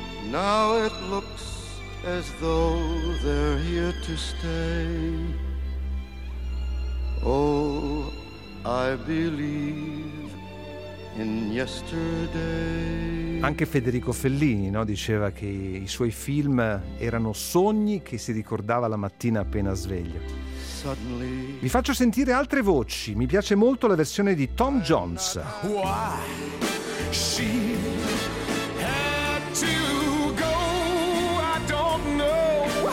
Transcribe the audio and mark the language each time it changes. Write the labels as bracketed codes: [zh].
[en] Now it looks as though they're here to stay. Oh, I believe in yesterday. [it] Anche Federico Fellini, no, diceva che i suoi film erano sogni che si ricordava la mattina appena sveglio. [en] Suddenly, [it] vi faccio sentire altre voci. Mi piace molto la versione di Tom Jones. [en] Why she had to go, I don't know.